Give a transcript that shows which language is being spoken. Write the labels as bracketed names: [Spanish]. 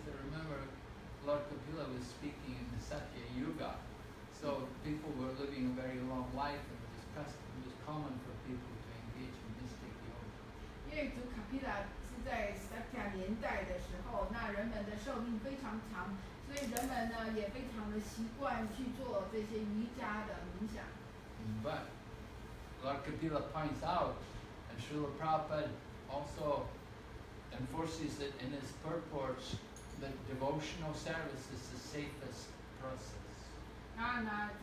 [English] Remember, Lord Kapila was speaking in the Satya Yuga, so people were living a very long life, and it was common for people to engage in mystic yoga. [Chinese] 在 Satya 年代的时候，那人们的寿命非常长，所以人们呢也非常的习惯去做这些瑜伽的冥想。 [English] But Lord Kapila points out, and Srila Prabhupada also enforces it in his purports that devotional service is the safest process.